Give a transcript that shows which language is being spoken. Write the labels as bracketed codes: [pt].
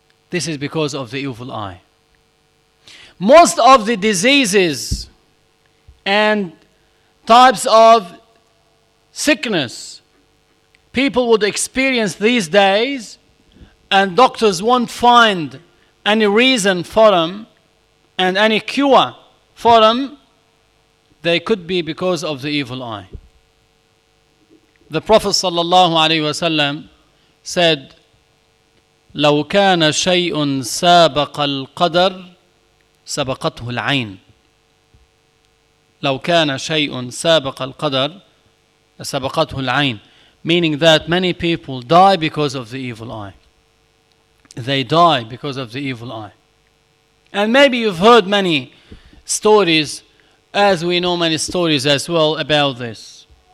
[en] This is because of the evil eye. Most of the diseases and types of sickness people would experience these days, and doctors won't find any reason for them and any cure for them, they could be because of the evil eye. The Prophet [ar] sallallahu alaihi wasallam said, "لو كان شيء سابق القدر سبقته العين." لو كان شيء سابق القدر سبقته العين, [en] meaning that many people die because of the evil eye. They die because of the evil eye. And maybe you've heard many stories, as we know many stories as well about this.